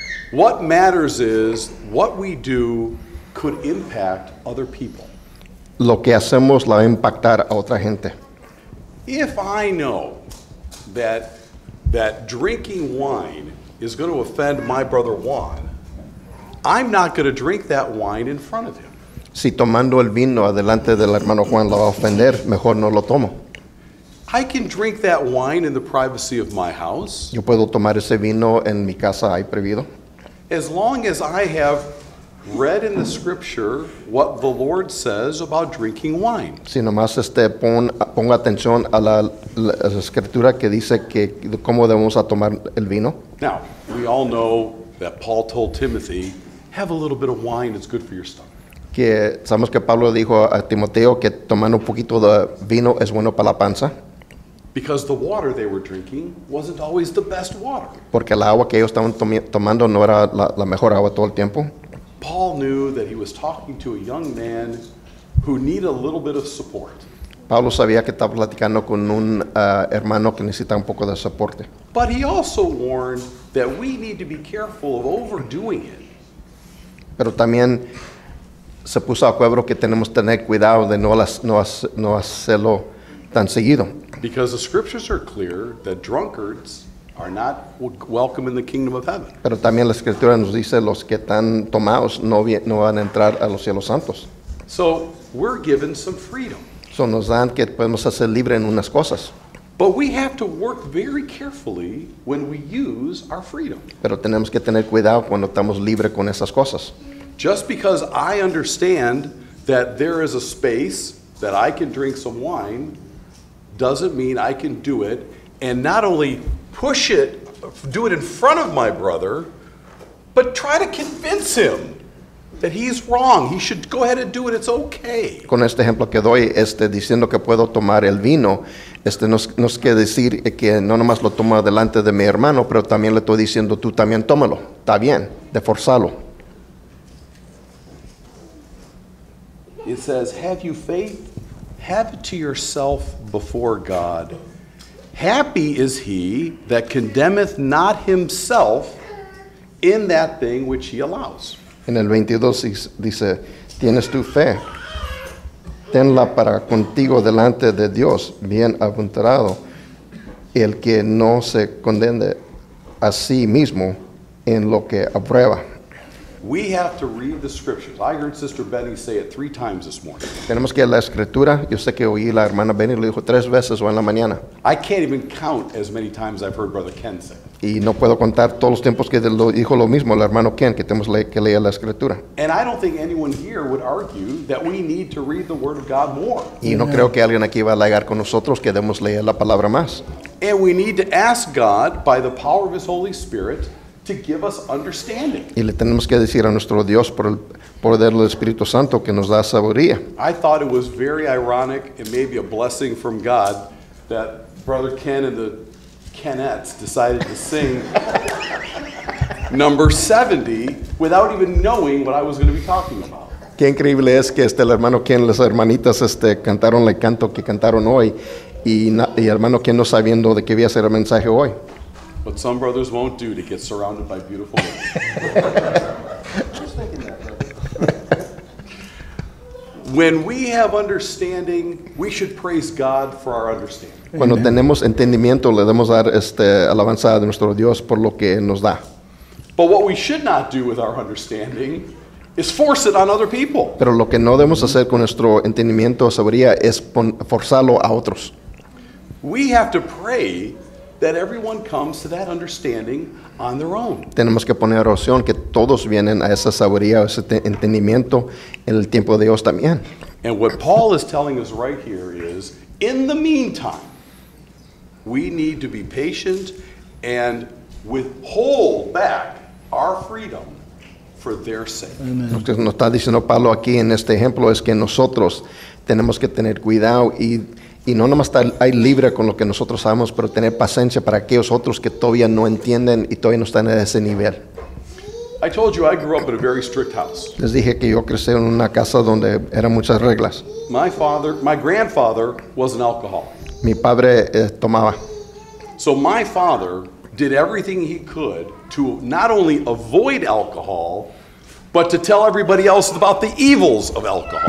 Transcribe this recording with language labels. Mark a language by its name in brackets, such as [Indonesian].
[English] What matters is what we do could impact other people. [Spanish] Lo que hacemos la va a impactar a otra gente. [English] If I know that drinking wine is going to offend my brother Juan, I'm not going to drink that wine in front of him. [Spanish] Si tomando el vino adelante del hermano Juan lo va a ofender, mejor no lo tomo. [English] I can drink that wine in the privacy of my house. [Spanish] Yo puedo tomar ese vino en mi casa, hay prohibido. [English] As long as I have read in the scripture what the Lord says about drinking wine. [Spanish] Si nomás ponga atención a la escritura que dice que cómo debemos a tomar el vino. [English] Now, we all know that Paul told Timothy, have a little bit of wine, it's good for your stomach. [Spanish] Que sabemos que Pablo dijo a Timoteo que tomando un poquito de vino es bueno para la panza. [English] Because the water they were drinking wasn't always the best water. [Spanish] Porque el agua que ellos estaban tomando no era la mejor agua todo el tiempo. [English] Paul knew that he was talking to a young man who needed a little bit of support. [Spanish] Pablo sabía que estaba platicando con un hermano que necesita un poco de soporte. [English] But he also warned that we need to be careful of overdoing it. [Spanish] Pero también se puso a cuadro que tenemos que tener cuidado de no hacerlo tan seguido. [English] Because the scriptures are clear that drunkards are not welcome in the kingdom of heaven. [Spanish] Pero también la escritura nos dice los que están tomados no van a entrar a los cielos santos. [English] So we're given some freedom. [Spanish] So nos dan que podemos hacer libre en unas cosas. [English] But we have to work very carefully when we use our freedom. [Spanish] Pero tenemos que tener cuidado cuando estamos libre con esas cosas. [English] Just because I understand that there is a space that I can drink some wine doesn't mean I can do it and not only push it, do it in front of my brother, but try to convince him That he's wrong. He should go ahead and do it. It's okay. [Spanish] Con este ejemplo que doy, diciendo que puedo tomar el vino, nos quiere decir que no nomás lo tomo delante de mi hermano, pero también le estoy diciendo, tú también tómalo. Está bien, de forzarlo. [English] It says, have you faith? Have it to yourself before God. Happy is he that condemneth not himself in that thing which he allows. [Spanish] En el 22 dice, tienes tu fe, tenla para contigo delante de Dios, bienaventurado el que no se condene a sí mismo en lo que aprueba. [English] We have to read the scriptures. I heard Sister Benny say it 3 times this morning. [Spanish] Tenemos que leer la escritura. Yo sé que oí la hermana Benny lo dijo 3 veces hoy en la mañana. [English] I can't even count as many times I've heard Brother Ken say. [Spanish] Y no puedo contar todos los tiempos que dijo lo mismo el hermano Ken, que tenemos que leer la escritura. [English] And I don't think anyone here would argue that we need to read the word of God more. [Spanish] Y no creo que alguien aquí va a alegar con nosotros que debemos leer la palabra más. [English] And we need to ask God by the power of his Holy Spirit to give us understanding. [Spanish] Y le tenemos que decir a nuestro Dios por el poder del Espíritu Santo que nos da sabiduría. [English] I thought it was very ironic and maybe a blessing from God that Brother Ken and the Kenettes decided to sing number 70 without even knowing what I was going to be talking about. [Spanish] Qué increíble es que el hermano Ken, las hermanitas cantaron el canto que cantaron hoy y hermano Ken no sabiendo de qué iba a ser el mensaje hoy. [English] But some brothers won't do to get surrounded by beautiful women. When we have understanding, we should praise God for our understanding. [Spanish] Cuando tenemos entendimiento, le debemos dar alabanza a nuestro Dios por lo que nos da. [English] But what we should not do with our understanding is force it on other people. [Spanish] Pero lo que no debemos hacer con nuestro entendimiento o sabiduría es forzarlo a otros. [English] We have to pray that everyone comes to that understanding on their own. [Spanish] Tenemos que poner oración que todos vienen a esa sabiduría, ese entendimiento en el tiempo de Dios también. [English] And what Paul is telling us right here is, in the meantime, we need to be patient and withhold back our freedom for their sake. Amen. [Spanish] Lo que nos está diciendo Pablo aquí en este ejemplo es que nosotros tenemos que tener cuidado y no nomás estar ahí libre con lo que nosotros sabemos, pero tener paciencia para aquellos otros que todavía no entienden y todavía no están en ese nivel. [English] I told you I grew up in a very strict house. [Spanish] Les dije que yo crecí en una casa donde eran muchas reglas. [English] My grandfather was an alcoholic. [Spanish] Mi padre tomaba. [English] So my father did everything he could to not only avoid alcohol, but to tell everybody else about the evils of alcohol.